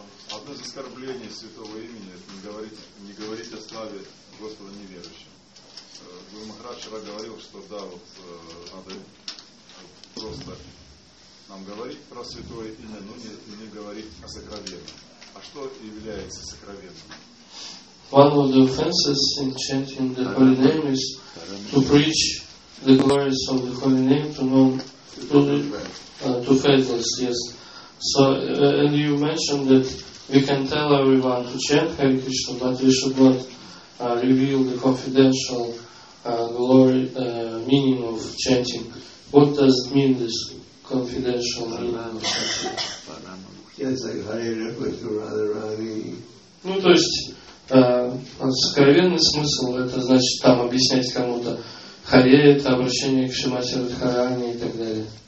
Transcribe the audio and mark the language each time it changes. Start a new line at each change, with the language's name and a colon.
Russian: Одно из оскорблений святого имени — это не говорить о славе Господа неверующим. Гуру Махарадж вчера говорил, что да, вот надо просто нам говорить про святое имя, но не говорить о сокровенном. А что является сокровенным?
English: One of the offenses in chanting the holy name is to preach the glories of the holy name to faithless. Yes. So, and you mentioned that we can tell everyone to chant Hare Krishna, but we should not reveal the confidential glory meaning of chanting. What does it mean, this confidential meaning of chanting? Yes, like Hare Krishna, Radha Rani.
Russian: Сокровенный смысл — это значит там объяснять кому-то Харе, это обращение к Шримати Радхарани и так далее.